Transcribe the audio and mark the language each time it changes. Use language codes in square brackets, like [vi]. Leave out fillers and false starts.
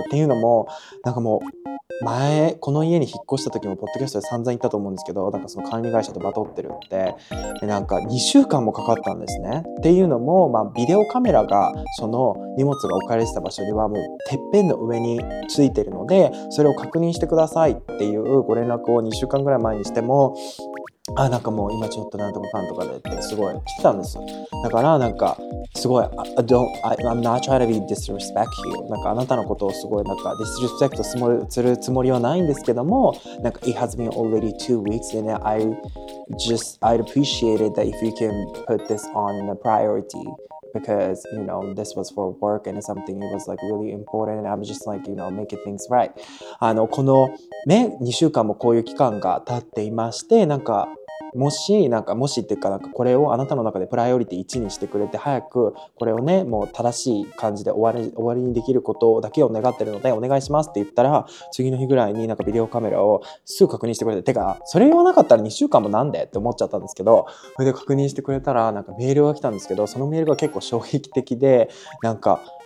[ja] っていうのも、なんかもう前この家に引っ越した時もポッドキャストで散々言ったと思うんですけど、なんかその管理会社とバトってるって、でなんか2週間もかかったんですね。っていうのも、ビデオカメラがその荷物が置かれてた場所にはもうてっぺんの上についてるので、それを確認してくださいっていうご連絡を2週間ぐらい前にしても、あ、なんかもう今ちょっとなんとかかんとかでってすごい来てたんですよ。だからなんかすごい、 [en] I'm not trying to be disrespect you、 [ja] なんかあなたのことをすごいなんか disrespect するつもりはないんですけども、なんか [en] It has been already 2 weeks and I'd appreciate it that if you can put this on the priority because you know this was for work and something it was like really important and I'm just like you know making things right。 [ja] この2週間もこういう期間が経っていまして、なんかもし、なんかもしっていうか、なんかこれをあなたの中でプライオリティ1にしてくれて、早くこれをね、もう正しい感じで終わりにできることだけを願ってるので、お願いしますって言ったら、次の日ぐらいになんかビデオカメラをすぐ確認してくれて、てか、それ言わなかったら2週間もなんでって思っちゃったんですけど、それで確認してくれたら、なんかメールが来たんですけど、そのメールが結構衝撃的で、なんか、